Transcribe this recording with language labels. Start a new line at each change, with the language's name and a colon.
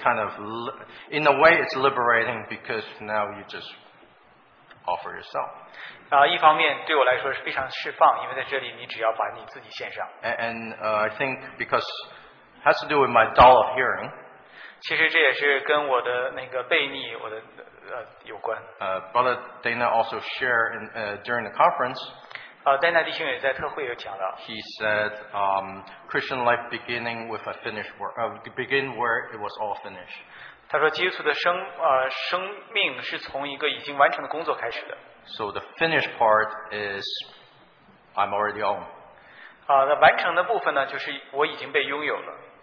English: kind of in a way it's liberating because now you just offer yourself.
Chinese: 一方面对我来说是非常释放，因为在这里你只要把你自己献上。And
English: I think because it has to do with my dull of hearing.
Chinese: 其实这也是跟我的那个背逆，我的有关。
English: Brother Dana also shared during the conference. He said, Christian life beginning with a finished work, begin where it was all finished.
Chinese: 他说基督徒的生命是从一个已经完成的工作开始的。
English: So the finished part is, I'm already on.
Chinese: 完成的部分呢,就是我已经被拥有了。